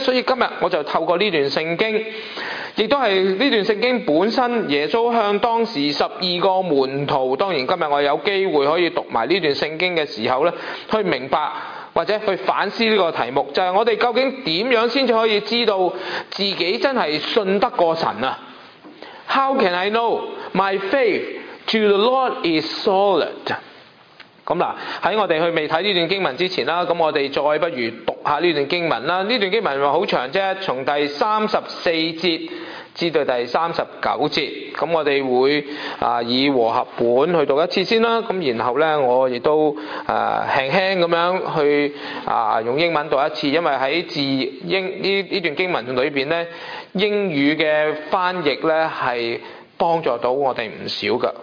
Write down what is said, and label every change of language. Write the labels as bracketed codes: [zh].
[zh] 所以今天我就透过这段圣经，也都是这段圣经本身耶稣向当时十二个门徒，当然今天我有机会可以读完这段圣经的时候去明白或者去反思这个题目，就是我们究竟怎样才可以知道自己真的信得过神。 [en] How can I know my faith to the Lord is solid？ [zh] 在我们去未看这段经文之前，我们再不如读一下这段经文。这段经文很长，从第34节至到第39节，我们会以和合本去读一次先，然后呢我也都轻轻地去用英文读一次，因为在这段经文里面呢，英语的翻译呢是帮助到我们不少的。